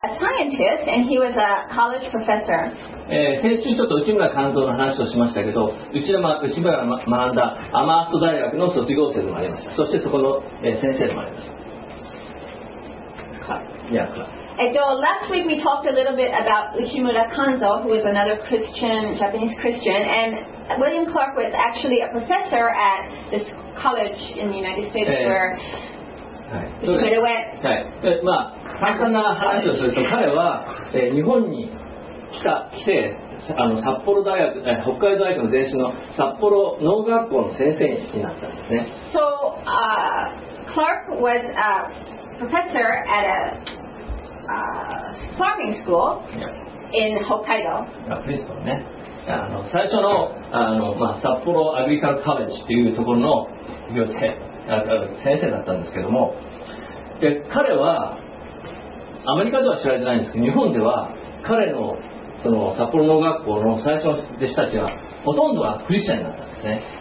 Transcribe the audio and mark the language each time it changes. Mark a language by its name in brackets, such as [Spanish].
[English] scientist and he was a college professor. [Japanese] 先週ちょっと内村鑑三の話をしましたけど、内村が学んだアマースト大学の卒業生でもありました。そしてそこの、先生でもありました。 [English] So last week we talked a little bit about Uchimura Kanzo, who is another Christian, Japanese Christian, and William Clark was actually a professor at this college in the United States where Uchimura went. [Japanese] まあ、簡単な話をすると、彼は、日本に来て、あの札幌大学、北海道大学の前身の札幌農学校の先生になったんですね。 [English] So, Clark was a professor at a farming school in Hokkaido. [Japanese] あの最初 の, あの、まあ、札幌アグリカルカレッジというところの先生だったんですけども、で彼はアメリカでは知られてないんですけど、日本では彼 の, その札幌農学校の最初の弟子たちはほとんどがクリスチャンだったんですね。